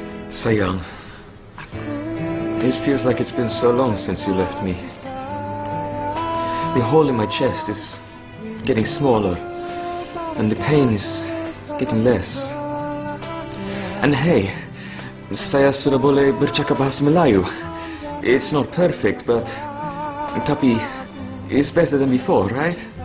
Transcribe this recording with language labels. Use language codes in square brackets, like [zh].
[en] Sayang, it feels like it's been so long since you left me. The hole in my chest is getting smaller, and the pain is getting less. And hey, [ms] saya sudah boleh bercakap bahasa Melayu. [en] It's not perfect, but [ms] tapi [en] it's better than before, right?